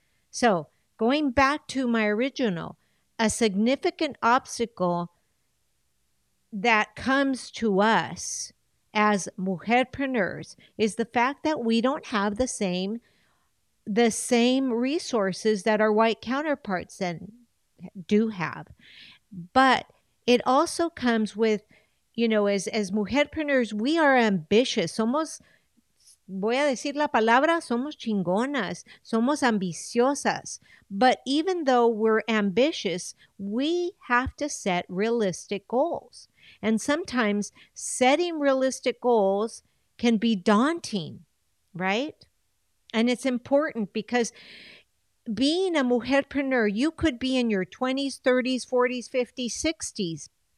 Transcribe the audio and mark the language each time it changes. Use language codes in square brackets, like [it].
[en] So going back to my original, a significant obstacle that comes to us as mujerpreneurs is the fact that we don't have the same resources that our white counterparts then do have. But it also comes with, you know, as mujerpreneurs, we are ambitious. [es] Somos, voy a decir la palabra, somos chingonas, somos ambiciosas. [en] But even though we're ambitious, we have to set realistic goals. And sometimes setting realistic goals can be daunting, right? And it's important because being a mujerpreneur, you could be in your 20s, 30s, 40s, 50s, 60s.